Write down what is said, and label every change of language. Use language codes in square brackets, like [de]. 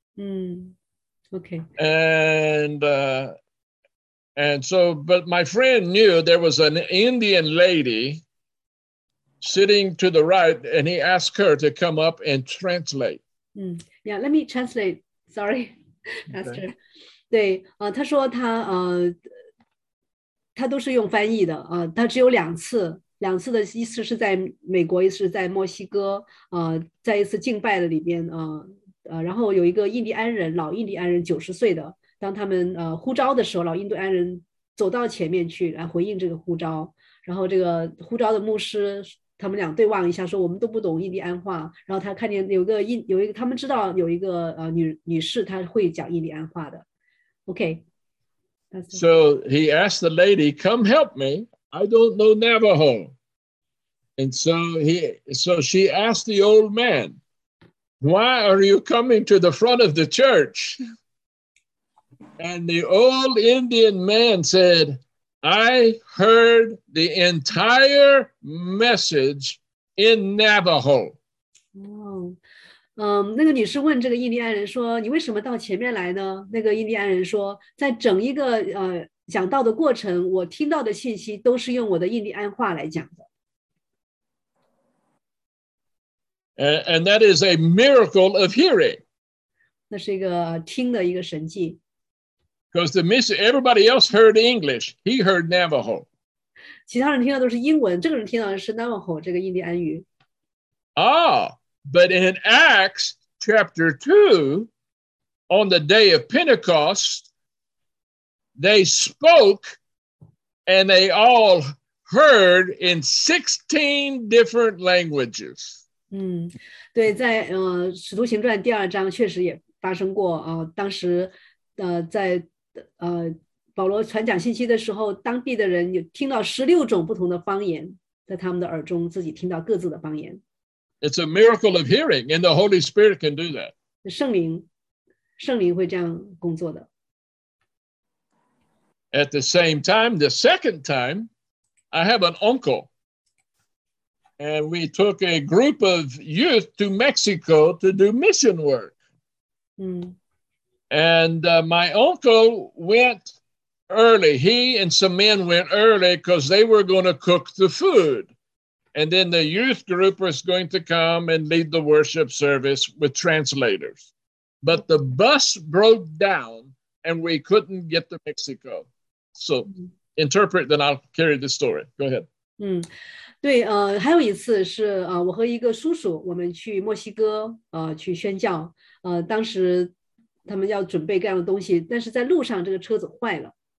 [en] Okay. And so, but my friend knew there was an Indian lady sitting to the right, and he asked her to come up and translate. Yeah, let me translate. Sorry, Pastor. Okay. [zh] 对，他说他都是用翻译的，他只有两次的，一次是在美国，一次是在墨西哥，在一次敬拜的里边，然后有一个印第安人，老印第安人90岁的，当他们呼召的时候，老印第安人走到前面去来回应这个呼召，然后这个呼召的牧师他们俩对望一下，说我们都不懂印第安话，然后他看见有一个他们知道有一个女士她会讲印第安话的。 [en] Okay. So he asked the lady, come help me. I don't know Navajo. And so she asked the old man, why are you coming to the front of the church? And the old Indian man said, I heard the entire message in Navajo. Oh. [zh] 那个女士问这个印第安人说，你为什么到前面来呢？那个印第安人说，在整一个讲道的过程，我听到的信息都是用我的印第安话来讲的。 [en] And that is a miracle of hearing. [zh] 那是一个听的一个神迹。 [en] Because the mission, everybody else heard English, he heard Navajo. [zh] 其他人听到都是英文，这个人听到的是 Navajo 这个印第安语。 [en] Ah,But in Acts chapter 2, on the day of Pentecost, they spoke and they all heard in 16 different languages. [zh] 对，在使徒行传第二章确实也发生过当时在保罗传讲信息的时候，当地的人听到16种不同的方言，在他们的耳中自己听到各自的方言。 [en] It's a miracle of hearing, and the Holy Spirit can do that. [zh] 圣灵会这样工作的。 [en] At the same time, the second time, I have an uncle. And we took a group of youth to Mexico to do mission work. And my uncle went early. He and some men went early because they were going to cook the food. And then the youth group was going to come and lead the worship service with translators. But the bus broke down and we couldn't get to Mexico. So interpret, then I'll carry the story. Go ahead. [zh] 对，还有一次是我和一个叔叔，我们去墨西哥去宣教。当时他们要准备各样的东西，但是在路上这个车子坏了。